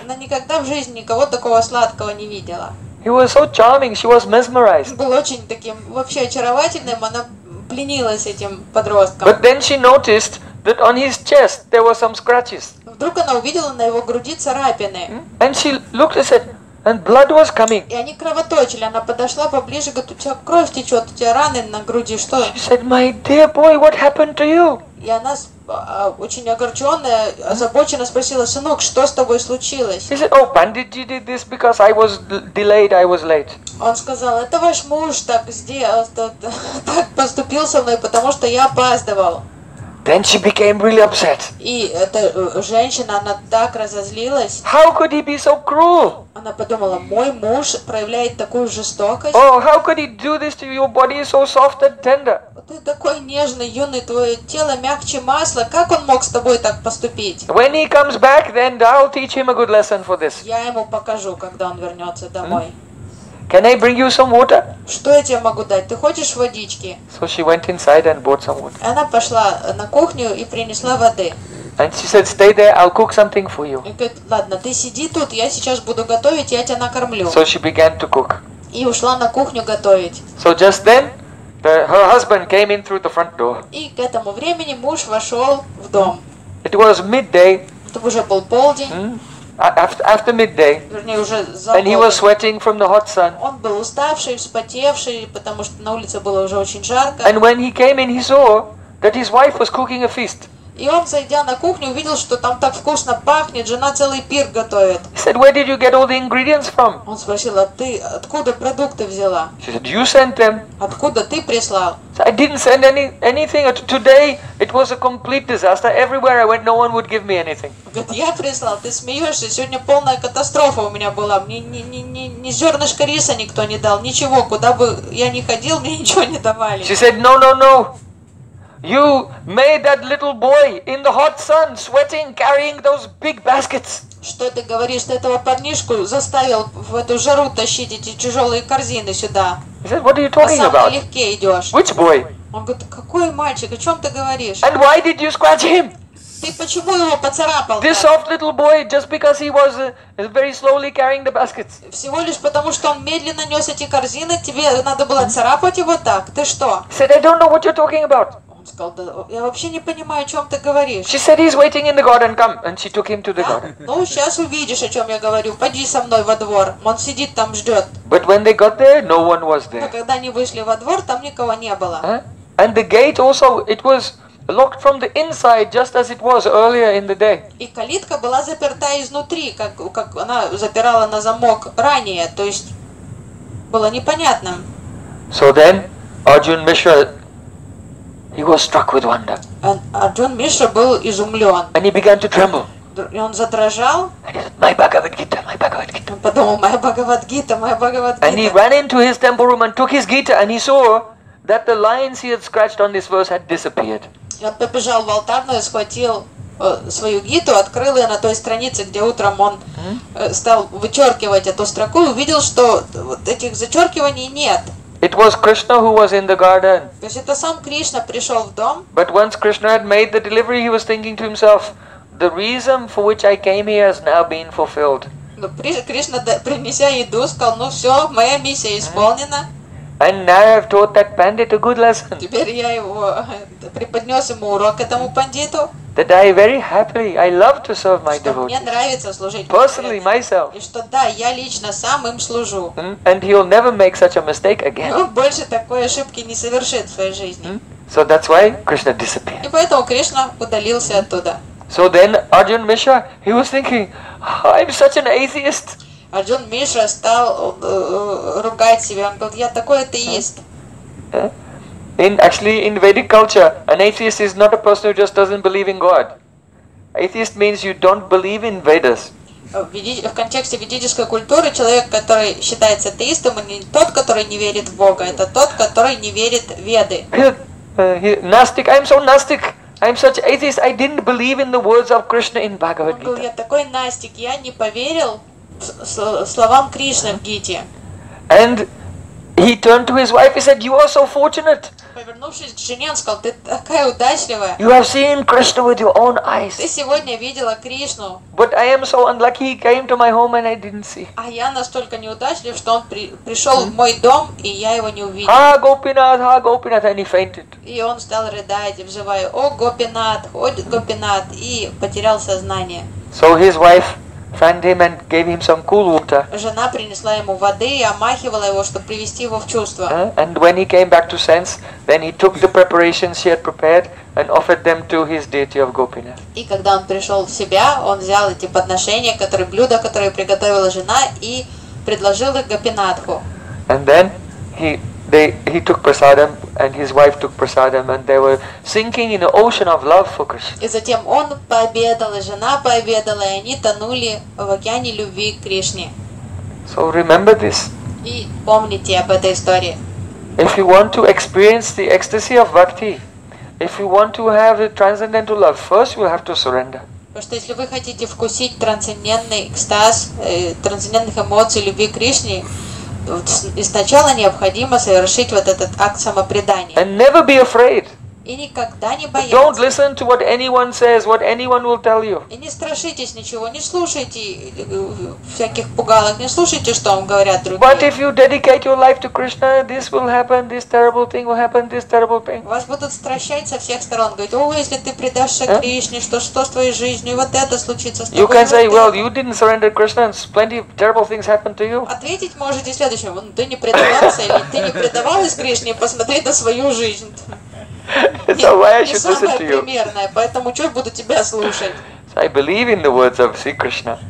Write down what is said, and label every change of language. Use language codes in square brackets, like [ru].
[ru] Она никогда в жизни никого такого сладкого не видела. [en] He was so charming, she was mesmerized. [ru] Был очень таким вообще очаровательным, она пленилась этим подростком. [en] But then she noticed that on his chest there were some scratches. [ru] Вдруг она увидела на его груди царапины. [en] And she looked and said, and blood was coming. [ru] И они кровоточили. Она подошла поближе, говорит, у тебя кровь течет, у тебя раны на груди, что? [en] She said, my dear boy, what happened to you? [ru] И она очень огорченная, озабоченно спросила, сынок, что с тобой случилось? [en] He said, oh, bandit, you did this because I was delayed, I was late. [ru] Он сказал, это ваш муж так сделал, так поступил со мной, потому что я опаздывал. [en] Then she became really upset. [ru] И эта женщина, она так разозлилась. [en] How could he be so cruel? [ru] Она подумала, мой муж проявляет такую жестокость. [en] Oh, how could he do this to you? Your body is so soft and tender. [ru] Ты такой нежный, юный, твое тело мягче масла. Как он мог с тобой так поступить? [en] When he comes back, then I'll teach him a good lesson for this. [ru] Я ему покажу, когда он вернется домой. [en] Can I bring you some water? [ru] Что я тебе могу дать? Ты хочешь водички? [en] So she went inside and bought some water. [ru] Она пошла на кухню и принесла воды. [en] And she said, "Stay there, I'll cook something for you." [ru] И говорит, ладно, ты сиди тут, я сейчас буду готовить, я тебя накормлю. [en] So she began to cook. [ru] И ушла на кухню готовить. [en] So just then, her husband came in through the front door. [ru] И к этому времени муж вошел в дом. [en] It was midday. [ru] Это уже был полдень. Mm-hmm. [en] After midday, and he was sweating from the hot sun. [ru] Он был уставший, вспотевший, потому что на улице было уже очень жарко. [en] And when he came in, he saw that his wife was cooking a feast. [ru] И он, зайдя на кухню, увидел, что там так вкусно пахнет, жена целый пир готовит. [en] He said, "Where did you get all the ingredients from?" [ru] Он спросил, а ты откуда продукты взяла? [en] She said, "You sent them." [ru] Откуда ты прислал? [en] I didn't send anything. Today it was a complete disaster. Everywhere I went, no one would give me anything. [ru] Говорит, я прислал. Ты смеешься? Сегодня полная катастрофа у меня была. Мне ни зернышко риса никто не дал. Ничего. Куда бы я ни ходил, мне ничего не давали. [en] She said, "No." You made that little boy in the hot sun, sweating, carrying those big baskets. [ru] Что ты говоришь? Ты этого парнишку заставил в эту жару тащить эти тяжелые корзины сюда? [en] He said, "What are you talking about?" [ru] А сам налегке идешь. [en] Which boy? [ru] Он говорит, какой мальчик? О чем ты говоришь? [en] And why did you scratch him? [ru] Ты почему его поцарапал? [en] This soft little boy, just because he was very slowly carrying the baskets. [ru] Всего лишь потому, что он медленно нес эти корзины, тебе надо было царапать его так? Ты что? [en] He said, "I don't know what you're talking about." [ru] Сказал, да, я вообще не понимаю, о чем ты говоришь. [en] She said, "He's waiting in the garden. Come." And she took him to the garden. [ru] Ну, сейчас увидишь, о чем я говорю. Пойди со мной во двор. Он сидит там, ждет. [en] But when they got there, no one was there. [ru] Но когда они вышли во двор, там никого не было. [en] And the gate also, it was locked from the inside, just as it was earlier in the day. [ru] И калитка была заперта изнутри, как она запирала на замок ранее. То есть, было непонятно. [en] So then, Arjun Mishra, he was struck with wonder. And [ru] Arjun Mishra был изумлен. [en] And he began to tremble. [ru] И он задрожал. [en] And he said, "My Bhagavad-Gita, my Bhagavad-Gita." [ru] Он подумал, моя Бхагавад-Гита, моя Бхагавад-Гита. [en] And he ran into his temple room and took his Gita and he saw that the lines he had scratched on this verse had disappeared. [ru] И он побежал в алтарную, схватил свою Гиту, открыл ее на той странице, где утром он стал вычеркивать эту строку и увидел, что вот этих зачеркиваний нет. [en] It was Krishna who was in the garden. [ru] То есть это сам Кришна пришел в дом. [en] But once Krishna had made the delivery, he was thinking to himself, the reason for which I came here has now been fulfilled. [ru] Но Кришна, принеся еду, сказал, ну все, моя миссия исполнена. [en] And now I've taught that pandit a good lesson. [ru] Теперь я его преподнес ему урок этому пандиту. [en] That I very happily, I love to serve my devotees. [ru] Мне нравится служить. [en] Personally, myself. [ru] И что да, я лично сам им служу. [en] And he'll never make such a mistake again. [ru] Он больше такой ошибки не совершит в своей жизни. [en] So that's why Krishna disappeared. [ru] И поэтому Кришна удалился оттуда. [en] So then Arjun Mishra, he was thinking, I'm such an atheist. [ru] Арджун Мишра стал ругать себя. Он говорит, я такой атеист. [en] In Vedic culture, an atheist is not a person who just doesn't believe in God. Atheist means you don't believe in Vedas. [ru] В контексте ведической культуры человек, который считается атеистом, не тот, который не верит в Бога, это тот, который не верит в Веды. [en] Nastic, I'm so nastic. I'm such atheist, I didn't believe in the words of Krishna in Bhagavad Gita. [ru] Он говорит, я такой настик, я не поверил словам Кришны в Гите. [en] And he turned to his wife, he said, you are so fortunate. [ru] Повернувшись к жене, он сказал, ты такая удачливая. [en] You have seen Krishna with your own eyes. [ru] Ты сегодня видела Кришну. [en] But I am so unlucky, he came to my home and I didn't see. [ru] А я настолько неудачлив, что он пришел в мой дом, и я его не увидел. [en] Ha, Gopinath, ha, Gopinath, and he fainted. [ru] И он стал рыдать, взывая, о, Гопинатх, о, Гопинатх, и потерял сознание. [en] So his wife found him and gave him some cool water. [ru] Жена принесла ему воды и омахивала его, чтобы привести его в чувство. [en] And when he came back to sense, then he took the preparations he had prepared and offered them to his deity of Gopinath. [ru] И когда он пришел в себя, он взял эти подношения, которые блюда, которые приготовила жена, и предложил их Гопинатху. [en] And then he took prasadam and his wife took prasadam and they were sinking in an ocean of love for Krishna. [ru] И затем он пообедал, и жена пообедала, и они тонули в океане любви к Кришне. [en] So remember this. [ru] И помните об этой истории. [en] If you want to experience the ecstasy of bhakti, if you want to have a transcendental love, first you have to surrender. [ru] Потому что если вы хотите вкусить трансцендентный экстаз, трансцендентных эмоций любви к Кришне, и сначала необходимо совершить вот этот акт самопредания. [en] And never be afraid. [ru] И никогда не бояться. [en] Don't listen to what anyone says, what anyone will tell you. [ru] И не страшитесь ничего, не слушайте всяких пугалок, не слушайте, что вам говорят другие. [en] But if you dedicate your life to Krishna, this will happen, this terrible thing will happen, this terrible thing. [ru] Вас будут стращать со всех сторон, говорить, о, если ты предашься Кришне, что с твоей жизнью, вот это случится с тобой. [en] You can say, well, you didn't surrender Krishna, and plenty of terrible things happened to you. [ru] Ответить можете следующим, ты не предавался или ты не предавалась Кришне, посмотри на свою жизнь. [en] So why I should listen to you? [ru] Поэтому чего буду тебя слушать? [en] So I believe in the words of Sri Krishna.